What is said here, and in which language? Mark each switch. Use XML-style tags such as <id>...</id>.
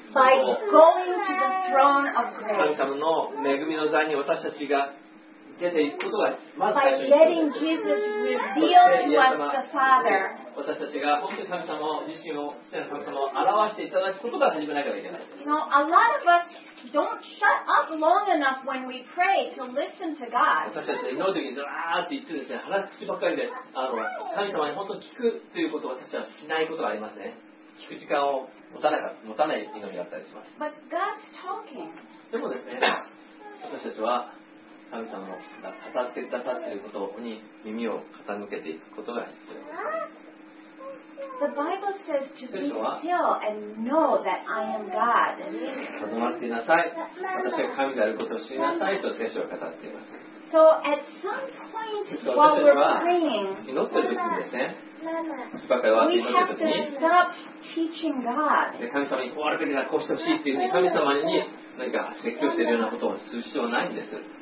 <ja>くことを、神様の恵みの座に私たちが出ていくことがまず最初に言っています。私たちが本当に神様自身を、神様を表していただくことが始めなければいけない。</ja> <en>You know, a lot of us don't shut up long enough when we pray to listen to God.</en> <ja>私たちは祈るときにずらーっと言ってですね、腹口ばっかりで、神様に本当に聞くということを私たちはしないことがありますね。聞く時間を持たない祈りだったりします。</ja> <en>But God's talking.</en> <ja>でもですね、私たちは神様の語ってくださっていることに耳を傾けていくことが必要です。</ja> <en>The Bible says to be still and know that I am God.</en> <ja>とどまっていなさい。私は神であることを知りなさいと聖書は語っています。</ja> <en>So at some point while we're praying,</en> <ja>祈ってる時にですね、私たちは祈ってる時に、</ja> <en>we have to stop teaching God.</en> <ja>神様にこうあるべきだ、こうしてほしいっていうふうに神様に何か説教しているようなことをする必要はないんです。</ja>